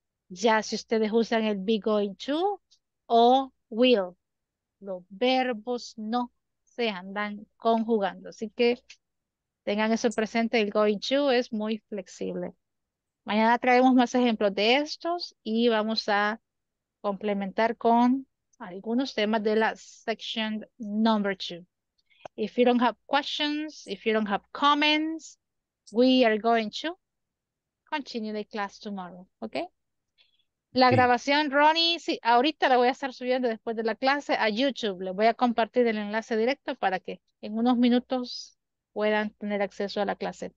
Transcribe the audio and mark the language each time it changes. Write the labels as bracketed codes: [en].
[es] Ya si ustedes usan el be going to o will, los verbos no se andan conjugando. Así que tengan eso presente, el going to es muy flexible. Mañana traemos más ejemplos de estos y vamos a complementar con algunos temas de la [en] section number two. If you don't have questions, if you don't have comments, we are going to continue the class tomorrow, okay? [es] La [en] Okay. [es] grabación, Ronnie, sí, ahorita la voy a estar subiendo después de la clase a YouTube. Les voy a compartir el enlace directo para que en unos minutos puedan tener acceso a la clase.